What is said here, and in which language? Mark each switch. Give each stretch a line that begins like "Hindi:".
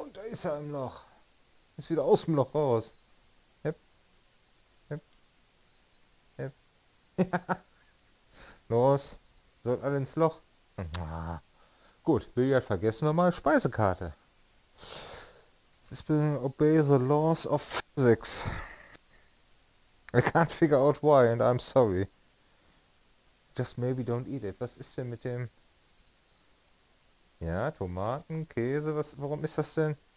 German: Ist er im Loch. Ist wieder aus dem Loch raus. Ja. Los. Soll alle ins Loch. Ah. Gut, Billard vergessen wir mal. Speisekarte.
English: Obey the laws of physics. I can't figure out why and I'm sorry. Just maybe don't eat it.
German: Was ist denn mit dem... Ja, Tomaten, Käse, was, warum ist das denn?